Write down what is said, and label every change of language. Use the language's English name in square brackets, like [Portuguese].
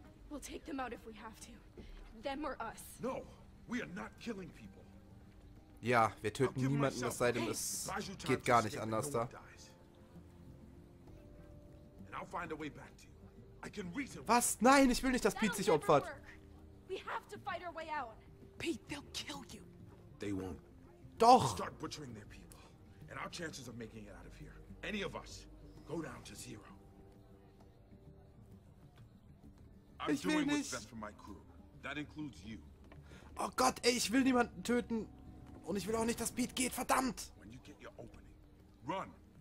[English] We'll take them out if we have to. Them or us. No, we are not killing people. [German] Ja, wir töten niemanden, es sei denn, es geht gar nicht anders da. [English] And I'll find a way back to you. I can reach him. [German] Was? Nein, ich will nicht, dass Pete sich opfert. [English] We have to fight our way out. Pete, they'll kill you. They won't. [German] Doch. [English] Start butchering their people. And our chances of making it out of here, any of us, go down to zero. [German] Ich will nicht. [English] What's best for my crew. That includes you. [German] Oh Gott, ey, ich will niemanden töten. Und ich will auch nicht, dass Pete geht, verdammt. [English] When you get your opening, run.